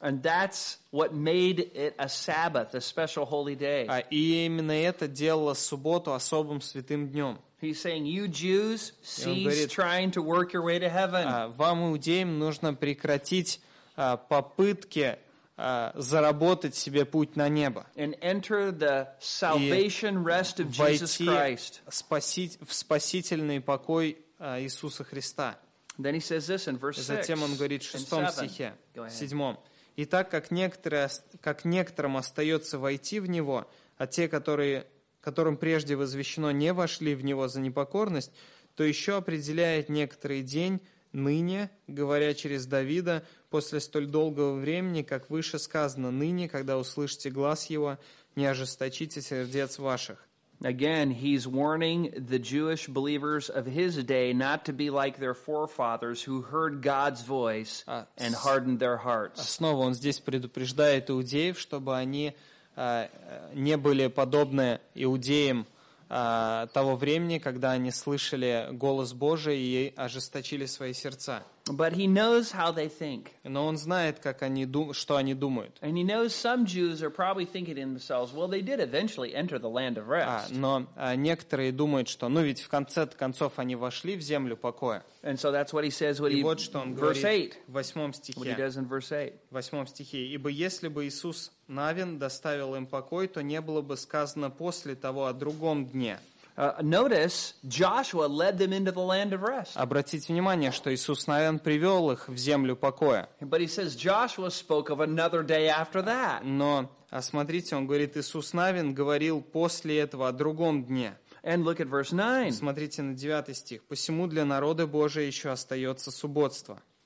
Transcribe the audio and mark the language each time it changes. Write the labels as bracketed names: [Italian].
[English] And that's what made it a Sabbath, a special holy day. [Russian] И именно это делало субботу особым святым днем. [English] He's saying, you Jews, cease trying to work your way to heaven. [Russian] Вам, иудеям, нужно прекратить попытки заработать себе путь на небо. [English] And enter the salvation rest of Jesus Christ. [Russian] В спасительный покой Иисуса Христа. [English] Then he says this in verse 6. [Russian] Затем он говорит в шестом стихе, седьмом. И так как некоторым остается войти в него, а те, которым прежде возвещено, не вошли в него за непокорность, то еще определяет некоторый день, ныне, говоря через Давида, после столь долгого времени, как выше сказано, ныне, когда услышите глас Его, не ожесточите сердец ваших. [English] Again, he's warning the Jewish believers of his day not to be like their forefathers who heard God's voice and hardened their hearts. [Russian] Снова он здесь предупреждает иудеев, чтобы они не были подобны иудеям того времени, когда они слышали голос Божий и ожесточили свои сердца. [English] But he knows how they think. [Russian] Но он знает, как они что они думают. [English] And he knows some Jews are probably thinking in themselves, well, they did eventually enter the land of rest. [Russian] Некоторые думают, что, ведь в конце концов они вошли в землю покоя. [English] And so that's what he says, what he [Russian] говорит. И вот что он говорит в 8 стихе. [English] What he does in verse 8. [Russian] В 8 стихе. Ибо если бы Иисус Навин доставил им покой, то не было бы сказано после того о другом дне. [English] Notice Joshua led them into the land of rest. [Russian] Обратите внимание, что Иисус Навин привел их в землю покоя. [English] But he says Joshua spoke of another day after that. [Russian] Но смотрите, он говорит, Иисус Навин говорил после этого о другом дне. [English] And look at verse 9. [Russian] Смотрите на 9 стих. Посему для народа Божия еще остается субботство.